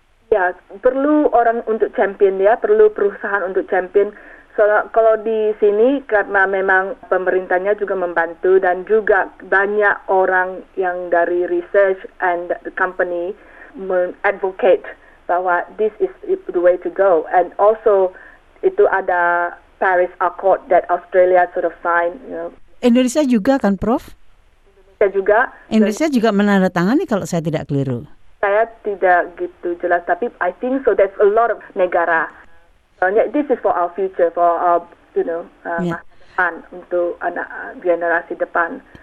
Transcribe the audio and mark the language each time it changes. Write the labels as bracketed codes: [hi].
[id] Ya, perlu orang untuk champion ya, perlu perusahaan untuk champion. Soalnya kalau di sini karena memang pemerintahnya juga membantu dan juga banyak orang yang dari [en] research and the company advocate [id] bahwa [en] this is the way to go. And also [id] itu ada [en] Paris Accord that Australia sort of signed. You know. [id] Indonesia juga kan, Prof? Indonesia juga menandatangani kalau saya tidak keliru. Saya tidak gitu jelas, tapi [en] I think so. That's a lot of negara. This is for our future, for our, you know, [id] depan untuk anak generasi depan.